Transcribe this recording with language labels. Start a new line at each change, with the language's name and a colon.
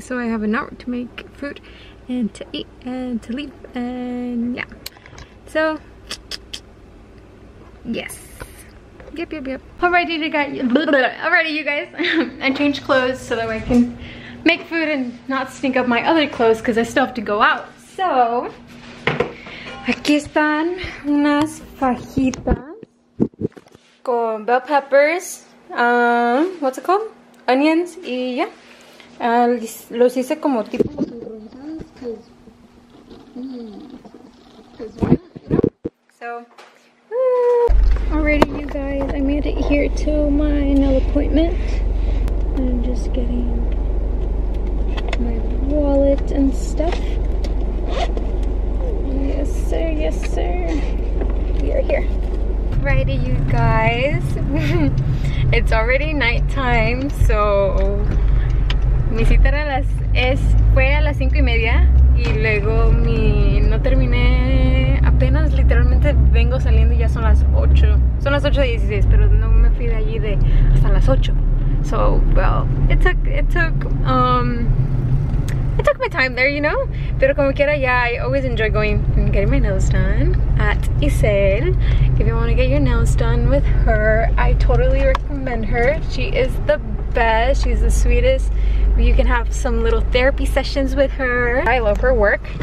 English: So I have an hour to make food and to eat and to leave. And yeah. So, yes. Yep. Alrighty, you guys. I changed clothes so that I can make food and not stink up my other clothes because I still have to go out.
Spanish: So, aquí están unas fajitas con bell peppers.
English: What's it called? Onions.
Spanish: Y ya. Yeah. Los hice como tipo.
English: Alrighty, you guys. I made it here to my nail appointment. I'm just getting my wallet and stuff. Yes, sir. We are here. Alrighty, you guys. It's already nighttime, so
Spanish: mi cita era fue a las 5:30 y luego no terminé. Apenas literalmente vengo saliendo y ya son las 8. Son las 8:16, pero no me fui de allí de hasta las 8.
English: So, well, it took my time there, you know?
Spanish: Pero como quiera,
English: yeah, I always enjoy going and getting my nails done at Isel. If you want to get your nails done with her, I totally recommend her. She is the best. She's the sweetest. You can have some little therapy sessions with her. I love her work.